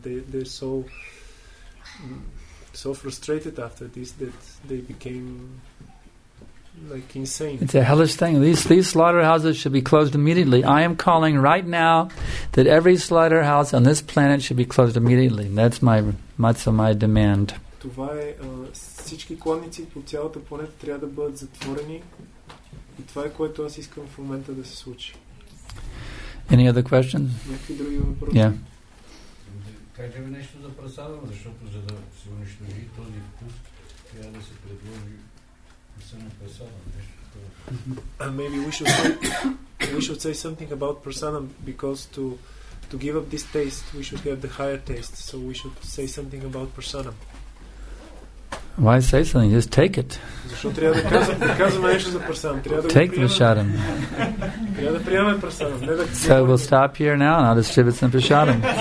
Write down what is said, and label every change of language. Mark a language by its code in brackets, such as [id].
[en] They're so frustrated after this that they became like insane. It's a hellish thing. These slaughterhouses should be closed immediately. I am calling right now that every slaughterhouse on this planet should be closed immediately. That's my demand. [bg] Това е всички кланици по цялата планета трябва да бъдат затворени. И това е което аз искам в момента да се случи. [en] Any other questions? [bg] Някакви други въпроси? [en] Yeah. [bg] Кажа ви нещо за пресадам, защото за да се унищожи този вкус, трябва да се предложи само пресадам нещо. [en] Maybe we should say something about prasadam, because to give up this taste, we should have the higher taste. So we should say something about prasadam. Why say something? Just take it. [bg] Защо трябва да казваме нещо за прасадам? Трябва да [en] take prasadam. [bg] Трябва да приемаме прасадам. [en] So we'll stop here now and I'll distribute some prasadam.